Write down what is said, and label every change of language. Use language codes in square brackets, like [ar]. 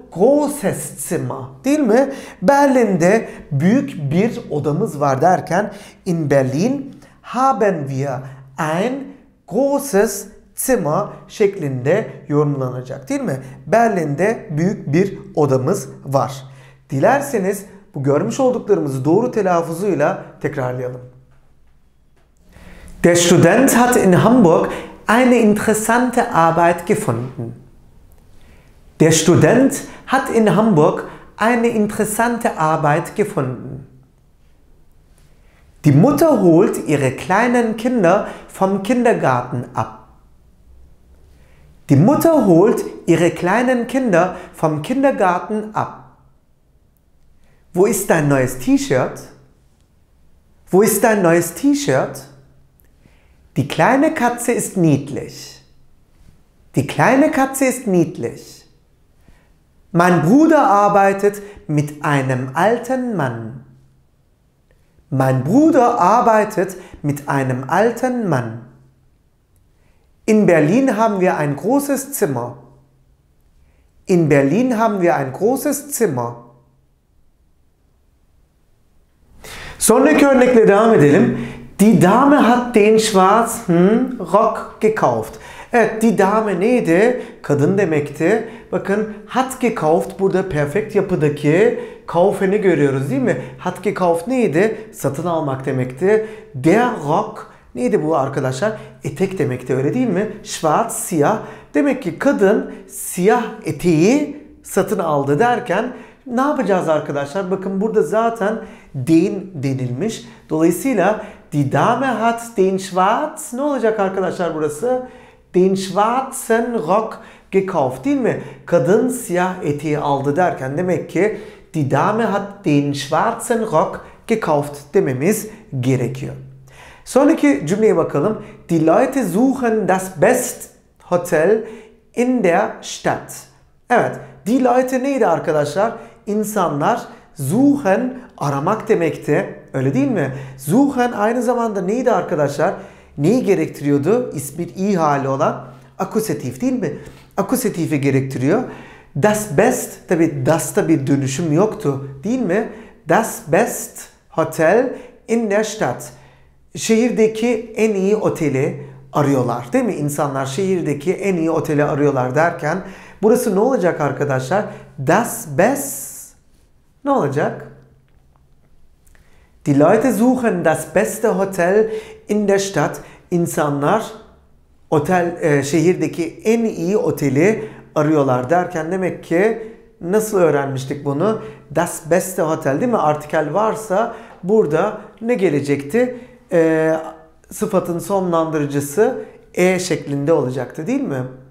[de] Großes Zimmer [tr] değil mi? Berlin'de büyük bir odamız var derken [de] in Berlin haben wir ein großes Zimmer [tr] şeklinde yorumlanacak değil mi? Berlin'de büyük bir odamız var. Dilerseniz bu görmüş olduklarımızı doğru telaffuzuyla tekrarlayalım. [de] Der Student hat in Hamburg eine interessante Arbeit gefunden. Der Student hat in Hamburg eine interessante Arbeit gefunden. Die Mutter holt ihre kleinen Kinder vom Kindergarten ab. Die Mutter holt ihre kleinen Kinder vom Kindergarten ab. Wo ist dein neues T-Shirt? Wo ist dein neues T-Shirt? Die kleine Katze ist niedlich. Die kleine Katze ist niedlich. Mein Bruder arbeitet mit einem alten Mann. Mein Bruder arbeitet mit einem alten Mann. In Berlin haben wir ein großes Zimmer. In Berlin haben wir ein großes Zimmer. [tr] Sonraki örnekle devam edelim. [de] Die Dame hat den schwarzen Rock gekauft. [tr] Evet, [de] die Dame [tr] neydi? Kadın demekti. Bakın, [de] hat gekauft, [tr] burada perfekt yapıdaki kaufen'i görüyoruz değil mi? [de] Hat gekauft [tr] neydi? Satın almak demekti. [de] Der Rock [tr] neydi bu arkadaşlar? Etek demekti, öyle değil mi? Schwarz, siyah. Demek ki kadın siyah eteği satın aldı derken ne yapacağız arkadaşlar? Bakın burada zaten den denilmiş. Dolayısıyla [de] die Dame hat den schwarz, [tr] ne olacak arkadaşlar burası? [de] Den schwarzen Rock gekauft, [tr] değil mi? Kadın siyah eteği aldı derken demek ki [de] die Dame hat den schwarzen Rock gekauft [tr] dememiz gerekiyor. Sonraki cümleye bakalım. [de] Die Leute suchen das best Hotel in der Stadt. [tr] Evet, [de] die Leute [tr] neydi arkadaşlar? İnsanlar, suchen aramak demekti. Öyle değil mi? Suchen aynı zamanda neydi arkadaşlar? Neyi gerektiriyordu? İsmi i hali olan akusatif, değil mi? Akusatifi gerektiriyor. [de] Das best, [tr] tabi das'ta bir dönüşüm yoktu, değil mi? [de] Das best hotel in der Stadt. [tr] Şehirdeki en iyi oteli arıyorlar, değil mi? İnsanlar şehirdeki en iyi oteli arıyorlar derken burası ne olacak arkadaşlar? [de] Das best [tr] ne olacak? [de] Die Leute suchen das beste Hotel in der Stadt. [tr] İnsanlar otel şehirdeki en iyi oteli arıyorlar derken demek ki nasıl öğrenmiştik bunu? [de] Das beste Hotel, [tr] değil mi? Artikel varsa burada ne gelecekti? Sıfatın sonlandırıcısı e şeklinde olacaktı, değil mi?